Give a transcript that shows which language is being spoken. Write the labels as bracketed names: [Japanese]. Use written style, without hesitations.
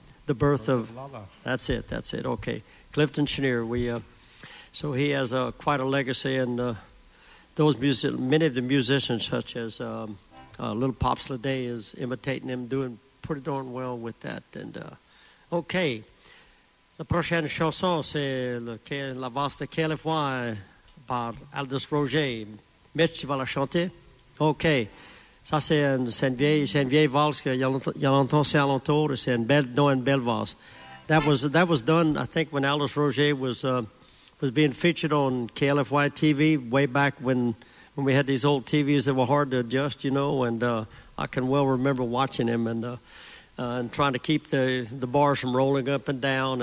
[English] The birth of Lala. That's it. Okay. Clifton Chenier. So he has quite a legacy. And many of the musicians, such as Little Pops Lede, is imitating him, doing pretty darn well with that. And okay. [French] La prochaine chanson, c'est La Vaste Californie par Aldous Roger. Mitch, tu vas la chanter? OK. Ça, c'est une vieille valse qu'il y a longtemps, c'est alentour, et c'est une belle valse. [English] That was done, I think, when Aldous Roger was being featured on KLFY TV way back when we had these old TVs that were hard to adjust, you know, and I can well remember watching him and trying to keep the bars from rolling up and down.